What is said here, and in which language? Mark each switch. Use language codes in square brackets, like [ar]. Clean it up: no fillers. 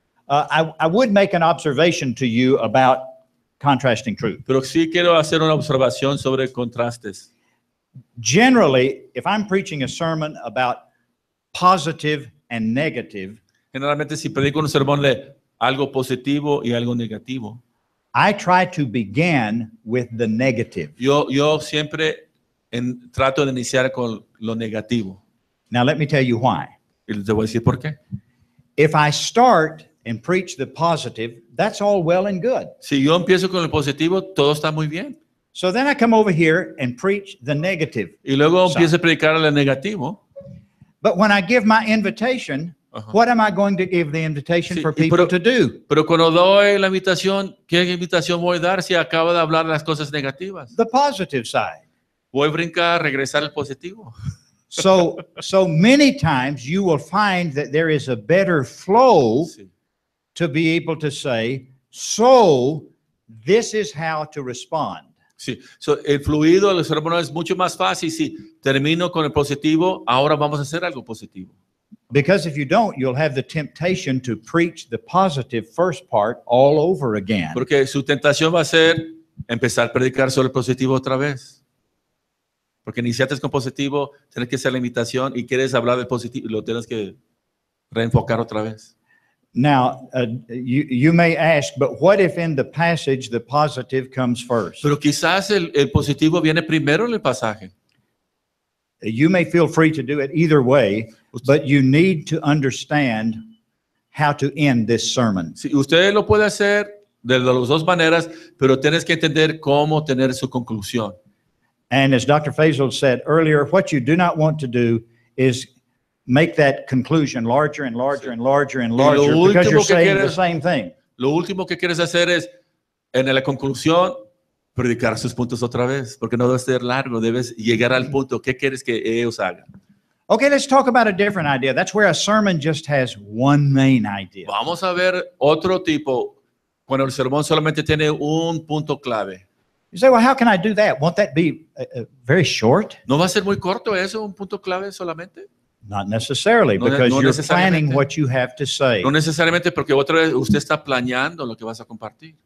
[en] I would make an observation to you about contrasting truth. [es] Pero sí quiero hacer una observación sobre contrastes. [en] Generally, if I'm preaching a sermon about positive and negative, [es] generalmente si predico un sermón de algo positivo y algo negativo, [en] I try to begin with the negative. [es] Yo siempre trato de iniciar con lo negativo. [en] Now let me tell you why. [es] Y te voy a decir por qué. [en] If I start and preach the positive, that's all well and good. [es] Si yo empiezo con el positivo, todo está muy bien. [en] So then I come over here and preach the negative. [es] Y luego empiezo a predicar el negativo. [en] But when I give my invitation, uh-huh, what am I going to give the invitation, sí, for people to do? [es] Pero cuando doy la invitación, ¿qué invitación voy a dar si acabo de hablar las cosas negativas? [en] The positive side. [es] Voy a brincar, regresar al positivo. [en] So many times you will find that there is a better flow, sí, to be able to say, so this is how to respond. [es] Sí, so, el fluido de los sermones es mucho más fácil. Sí, termino con el positivo, ahora vamos a hacer algo positivo. [en] Because if you don't, you'll have the temptation to preach the positive first part all over again. [es] Porque su tentación va a ser empezar a predicar solo el positivo otra vez. Porque iniciaste con positivo, tienes que hacer la invitación y quieres hablar del positivo, lo tienes que reenfocar otra vez. [en] Now, you may ask, but what if in the passage the positive comes first? [es] Pero quizás el positivo viene primero en el pasaje. [en] You may feel free to do it either way, but you need to understand how to end this sermon. [es] Sí, usted lo puede hacer de las dos maneras, pero tienes que entender cómo tener su conclusión. [en] And as Dr. Fasol said earlier, what you do not want to do is make that conclusion larger and larger and larger and larger because you're saying the same thing. [es] Lo último que quieres hacer es, en la conclusión, predicar sus puntos otra vez, porque no debe ser largo, debes llegar al punto. ¿Qué quieres que ellos hagan? [en] Okay, let's talk about a different idea. That's where a sermon just has one main idea. [es] Vamos a ver otro tipo, cuando el sermón solamente tiene un punto clave. [en] You say, well, how can I do that? Won't that be very short? [es] ¿No va a ser muy corto eso, un punto clave solamente? [en] Not necessarily, because you're planning what you have to say. [es] No necesariamente, porque otra vez usted está planeando lo que vas a compartir.